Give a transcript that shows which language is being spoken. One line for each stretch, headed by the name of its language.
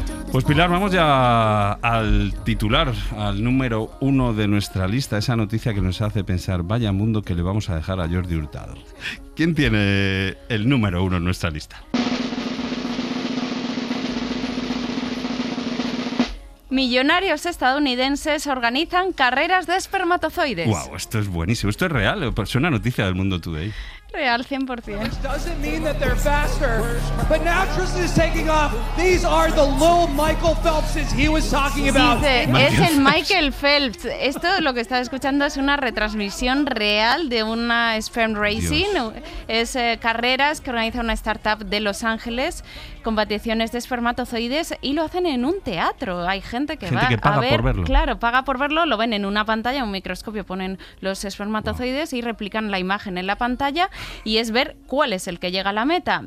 Spanish: Pues Pilar, vamos ya al titular, al número uno de nuestra lista, esa noticia que nos hace pensar, vaya mundo que le vamos a dejar a Jordi Hurtado. ¿Quién tiene el número uno en nuestra lista? Millonarios estadounidenses organizan carreras de espermatozoides. ¡Guau! Wow, esto es buenísimo. Esto es real. Es una noticia del Mundo Today. Real, 100%.
English: Which doesn't mean that they're faster, but now Tristan is taking off. These are the little Michael Phelpses he was talking about.
Spanish: Dice, es el Michael Phelps. Esto lo que estás escuchando es una retransmisión real de una sperm racing. Dios. Es carreras que organiza una startup de Los Ángeles, competiciones de espermatozoides, y lo hacen en un teatro. Hay gente que paga por verlo. Claro, paga por verlo, lo ven en una pantalla, un microscopio, ponen los espermatozoides, wow, y replican la imagen en la pantalla, y es ver cuál es el que llega a la meta.